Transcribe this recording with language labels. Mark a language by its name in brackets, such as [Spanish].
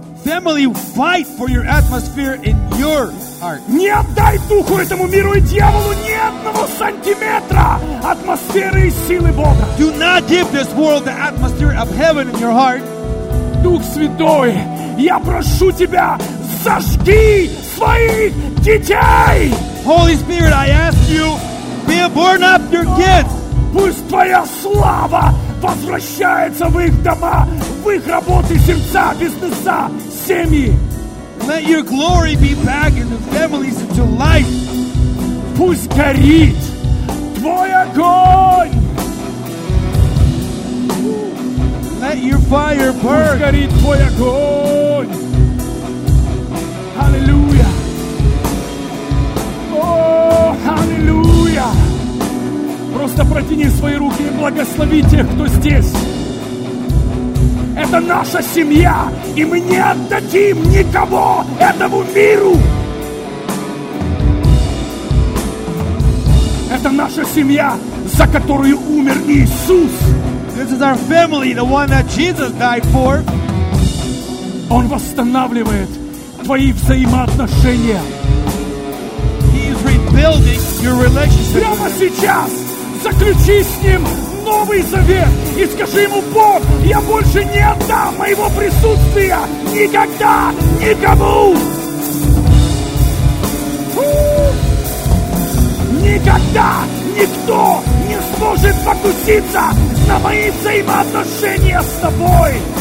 [English] Family, fight for your atmosphere in your heart. [Russian] Не отдай духу этому миру и дьяволу ни одного сантиметра атмосферы и силы Бога. [English] Do not give this world the atmosphere of heaven in your heart. [Russian] Дух Святой, я прошу тебя, зажги своих детей. [English] Holy Spirit, I ask you, burn up your kids. [Russian] Пусть твоя слава возвращается в их дома, в их работы, сердца, бизнеса, семьи. [English] Let your glory be back in the families and to life. [Russian] Пусть горит твой огонь. [English] Let your fire burn. [Russian] Пусть горит твой огонь. Аллилуйя. О, аллилуйя. Просто протяни свои руки и благослови тех, кто здесь. Это наша семья, и мы не отдадим никого этому миру. Это наша семья, за которую умер Иисус. [English] This is our family, the one that Jesus died for. [Russian] Он восстанавливает твои взаимоотношения. [English] He is rebuilding your relationship. [Russian] Прямо сейчас заключи с ним новый завет и скажи ему: Бог, я больше не отдам моего присутствия никогда никому. Никогда никто не сможет покуситься на мои взаимоотношения с тобой.